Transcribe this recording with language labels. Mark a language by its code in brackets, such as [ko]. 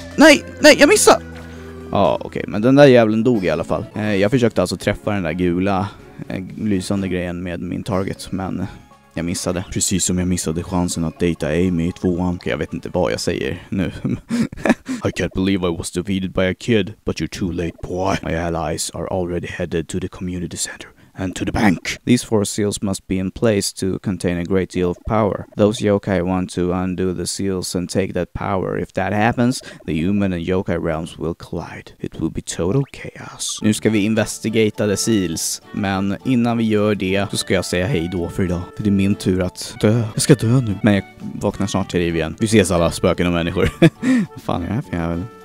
[sv] Nej, jag missade! Ja, okej, men den där jäveln dog i alla fall. Jag försökte alltså träffa den där gula, lysande grejen med min target, men... jag missade. Precis som jag missade chansen att dejta Amy i 2:an. Jag vet inte vad jag säger nu. [en] I can't believe I was defeated by a kid, but you're too late, boy. My allies are already headed to the community center and to the bank. These 4 seals must be in place to contain a great deal of power. Those yokai want to undo the seals and take that power. If that happens, the human and yokai realms will collide. It will be total chaos. [sv] Nu ska vi investigera de seals, men innan vi gör det så ska jag säga hej då för idag. För det är min tur att dö. Jag ska dö nu, men jag vaknar snart till liv igen. Vi ses alla spöken och människor. Vad fan är det här för jävel?